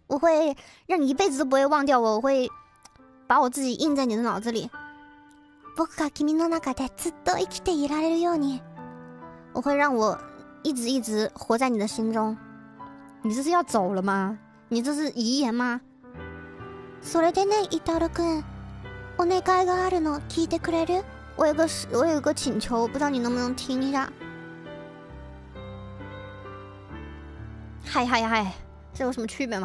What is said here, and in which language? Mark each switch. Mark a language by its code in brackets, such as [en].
[zh] 我会让你一辈子都不会忘掉我会把我自己印在你的脑子里。 [ja] 僕が君の中でずっと生きていられるように。 [zh] 我会让我一直活在你的心中。你这是要走了吗？你这是遗言吗？ [ja] それでね、イタロ君、お願いがあるの聞いてくれる？ [zh] 我有个请求，不知道你能不能听一下。嗨嗨嗨，这有什么区别吗？